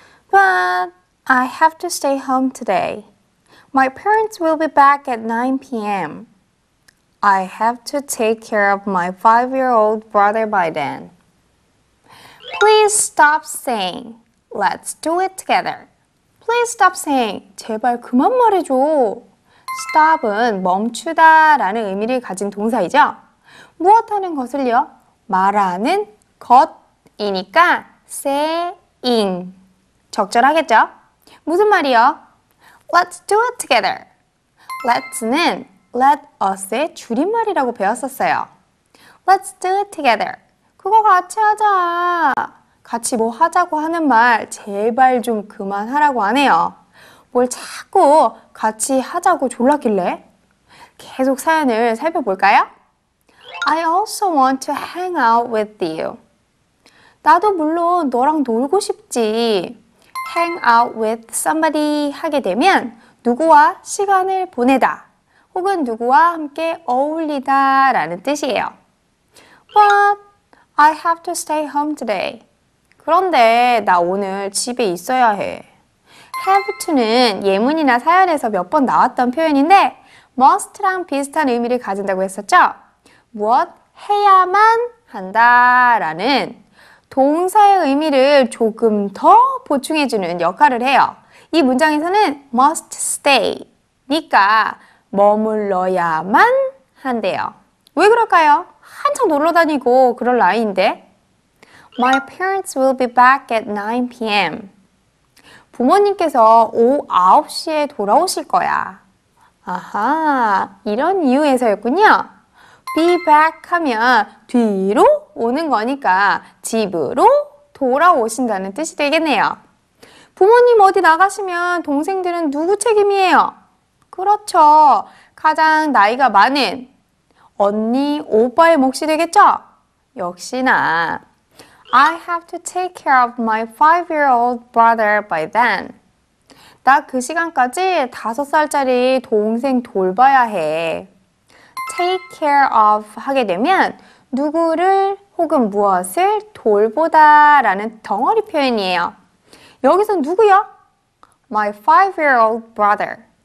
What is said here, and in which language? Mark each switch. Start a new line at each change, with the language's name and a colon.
English: But I have to stay home today. My parents will be back at 9 p.m. I have to take care of my 5-year-old brother by then. Please stop saying, Let's do it together. Please stop saying,
Korean: 제발 그만 말해줘. Stop은 멈추다 라는 의미를 가진 동사이죠. 무엇하는 것을요? 말하는 것이니까 saying 적절하겠죠? 무슨 말이요?
English: Let's do it together. Let's는
Korean: let us의 줄임말이라고 배웠었어요.
English: Let's do it together.
Korean: 그거 같이 하자. 같이 뭐 하자고 하는 말 제발 좀 그만하라고 하네요. 뭘 자꾸 같이 하자고 졸라길래? 계속 사연을 살펴볼까요?
English: I also want to hang out with you.
Korean: 나도 물론 너랑 놀고 싶지.
English: Hang out with somebody
Korean: 하게 되면 누구와 시간을 보내다 혹은 누구와 함께 어울리다 라는 뜻이에요.
English: But I have to stay home today.
Korean: 그런데 나 오늘 집에 있어야 해. Have to는 예문이나 사연에서 몇 번 나왔던 표현인데 must랑 비슷한 의미를 가진다고 했었죠? What 해야만 한다라는 동사의 의미를 조금 더 보충해주는 역할을 해요. 이 문장에서는 must stay니까 머물러야만 한대요. 왜 그럴까요? 한창 놀러 다니고 그럴 나이인데
English: My parents will be back at 9 p.m.
Korean: 부모님께서 오후 9시에 돌아오실 거야. 아하, 이런 이유에서였군요. Be back 하면 뒤로 오는 거니까 집으로 돌아오신다는 뜻이 되겠네요. 부모님 어디 나가시면 동생들은 누구 책임이에요? 그렇죠. 가장 나이가 많은 언니, 오빠의 몫이 되겠죠? 역시나.
English: I have to take care of my five-year-old brother by then.
Korean: 나 그 시간까지 5살짜리 동생 돌봐야 해. Take care of 하게 되면 누구를 혹은 무엇을 돌보다 라는 덩어리 표현이에요. 여기서 누구야?
English: My five-year-old brother.